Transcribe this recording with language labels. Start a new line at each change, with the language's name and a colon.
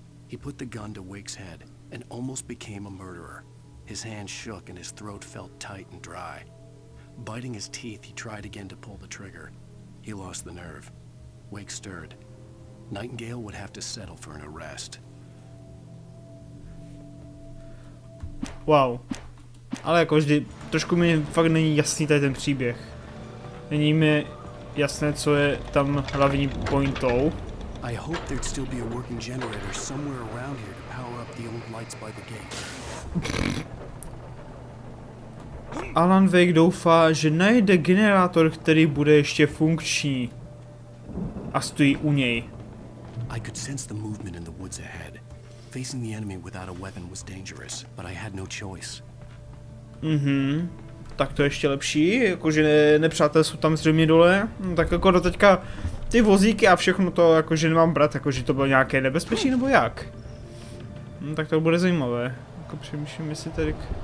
English: He put the gun to Wake's head and almost became a murderer. His hand shook and his throat felt tight and dry. Biting his teeth, he tried again to pull the trigger. He lost the nerve. Wake stirred. Nightingale would have to settle for an arrest. Wow.
Czech: Ale jako vždy, trošku mi fakt není jasný tady ten příběh. Není mi jasné, co je tam hlavní pointou.
English: I hope there'd still be a working generator somewhere around here to power up the old lights by the gate.
Czech: Alan Wake doufá, že najde generátor, který bude ještě funkční. A stojí u něj.
English: I could sense the movement in the woods ahead. Facing the enemy without a weapon was dangerous, but I had no choice. Mhm.
Czech: Tak to ještě lepší, jakože nepřátelé jsou tam zřejmě dole. No, tak jako do teďka ty vozíky a všechno to jakože nemám brát, jakože to bylo nějaké nebezpečí nebo jak? No, tak to bude zajímavé. Jako přemýšlím, jestli tady...